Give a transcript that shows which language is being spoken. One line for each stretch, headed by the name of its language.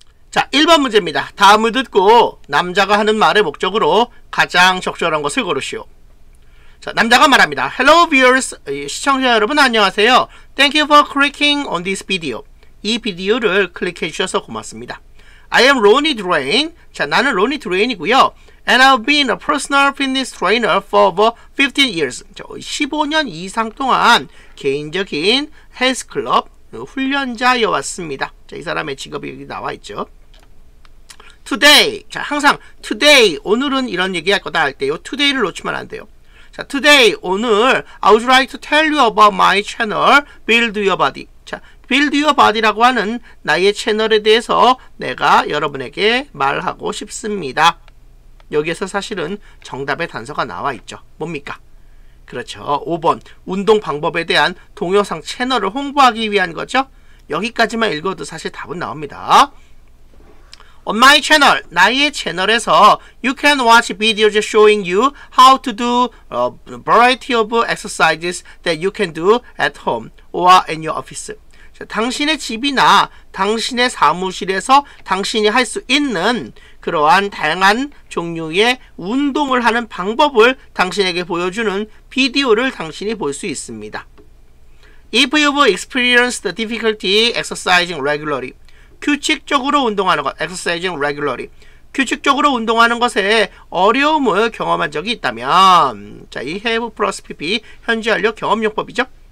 Korean: 자, 1번 문제입니다. 다음을 듣고 남자가 하는 말의 목적으로 가장 적절한 것을 고르시오. 자, 남자가 말합니다.
English: Hello viewers,
Korean: 시청자 여러분 안녕하세요.
English: Thank you for clicking on this video.
Korean: 이 비디오를 클릭해 주셔서 고맙습니다.
English: I am Ronnie Drain.
Korean: 자, 나는 로니 드레인이고요.
English: And I've been a personal fitness trainer for over 15 years.
Korean: 자, 15년 이상 동안 개인적인 헬스클럽 훈련자여왔습니다. 자, 이 사람의 직업이 여기 나와 있죠. Today. 자, 항상 today, 오늘은 이런 얘기할 거다 할 때요. Today를 놓치면 안 돼요.
English: 자, today, 오늘, I would like to tell you about my channel, Build Your Body.
Korean: 자, Build Your Body라고 하는 나의 채널에 대해서 내가 여러분에게 말하고 싶습니다. 여기에서 사실은 정답의 단서가 나와 있죠. 뭡니까? 그렇죠. 5번, 운동 방법에 대한 동영상 채널을 홍보하기 위한 거죠. 여기까지만 읽어도 사실 답은 나옵니다.
English: On my channel,
Korean: 나의 채널에서
English: you can watch videos showing you how to do a variety of exercises that you can do at home or in your office.
Korean: 자, 당신의 집이나 당신의 사무실에서 당신이 할 수 있는 그러한 다양한 종류의 운동을 하는 방법을 당신에게 보여주는 비디오를 당신이 볼 수 있습니다.
English: If you've experienced the difficulty exercising regularly,
Korean: 규칙적으로 운동하는 것,
English: exercising regularly,
Korean: 규칙적으로 운동하는 것에 어려움을 경험한 적이 있다면, 자, 이
English: have plus pp,
Korean: 현지완료 경험용법이죠.